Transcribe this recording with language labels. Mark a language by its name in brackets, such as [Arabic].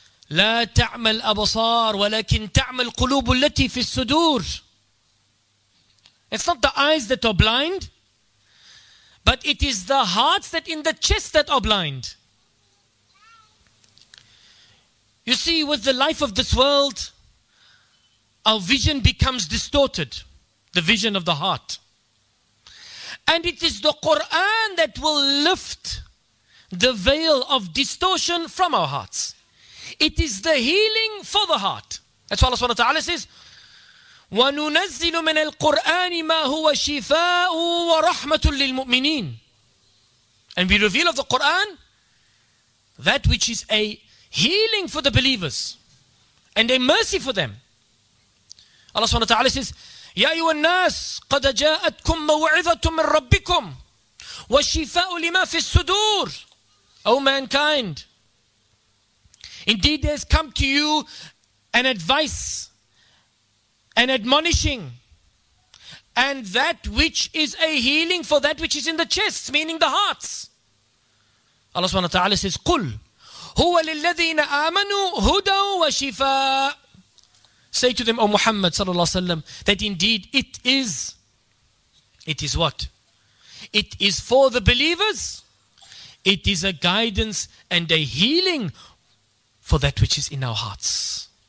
[Arabic] لا تعمل أبصار ولكن تعمل قلوب التي في الصدور. [English] It's not the eyes that are blind, but it is the hearts that in the chest that are blind. You see, with the life of this world, our vision becomes distorted, the vision of the heart. And it is the Quran that will lift the veil of distortion from our hearts. It is the healing for the heart. That's why Allah subhanahu wa ta'ala says, [Arabic] وَنُنَزِّلُ مِنَ الْقُرْآنِ مَا هُوَ شِفَاءٌ وَرَحْمَةٌ لِلْمُؤْمِنِينَ. [English] And we reveal of the Quran that which is a healing for the believers and a mercy for them. Allah subhanahu wa ta'ala says, [Arabic] يَا أَيُّهَا النَّاسُ قَدْ جَاءَتْكُم مَوْعِظَةٌ مِّن رَّبِّكُمْ وَشِفَاءٌ لِّمَا فِي الصُّدُورِ. [English] O mankind, indeed there's come to you an advice, an admonishing, and that which is a healing for that which is in the chests, meaning the hearts. Allah subhanahu wa ta'ala says, [Arabic] قُلْ هُوَ لِلَّذِينَ آمَنُوا هُدًى وَشِفَاءٌ. [English] Say to them, O Muhammad sallallahu alayhi wa sallam, that indeed it is what? It is for the believers, it is a guidance and a healing for that which is in our hearts.